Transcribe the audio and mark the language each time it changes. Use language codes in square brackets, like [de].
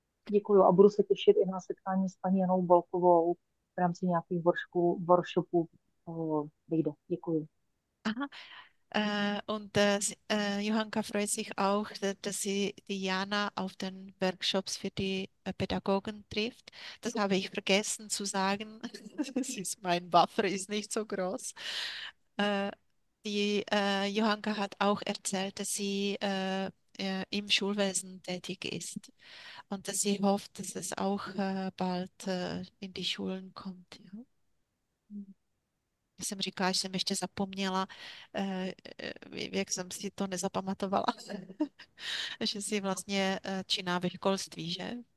[cs] Děkuju a budu se těšit i na setkání s paní Janou Bolkovou v rámci nějakých workshopů. Vyjde. Děkuju. Aha. [de] Und Johanka freut sich auch, dass sie die Jana auf den Workshops für die Pädagogen trifft. Das habe ich vergessen zu sagen. mein Buffer ist nicht so groß. Johanka hat auch erzählt, dass sie im Schulwesen tätig ist und dass sie hofft, dass es auch bald in die Schulen kommt. Ja? [cs] Jsem říkala, že jsem ještě zapomněla, jak jsem si to nezapamatovala, že jsi vlastně činná ve školství, že?